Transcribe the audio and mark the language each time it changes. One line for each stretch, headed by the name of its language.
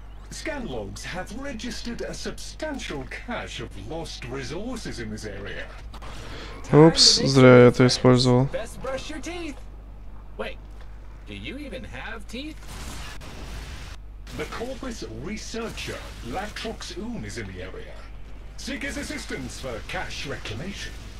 English: Scanlogs have registered a substantial cache of lost resources in this area.
Russian: Oops, зря я это использовал.
English: Best brush your teeth. Wait, do you even have teeth? The Corpus researcher Latrox Oom is in the area. Seek his assistance for cache reclamation.